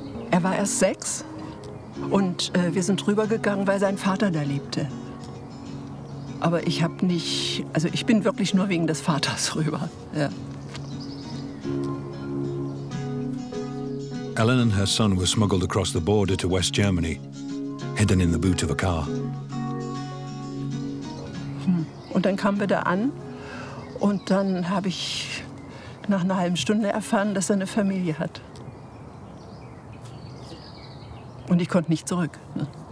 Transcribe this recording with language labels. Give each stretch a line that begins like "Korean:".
German: Er war erst 6 und wir sind rübergegangen, weil sein Vater da lebte. Aber ich habe nicht, also ich bin wirklich nur wegen des Vaters rüber. Ja.
English: Ellen and her son were smuggled across the border to West Germany, hidden in the boot of a car.
German: Und dann kamen wir da an. Und dann habe ich nach einer halben Stunde erfahren, dass er eine Familie hat. Und ich konnte nicht zurück. Ne?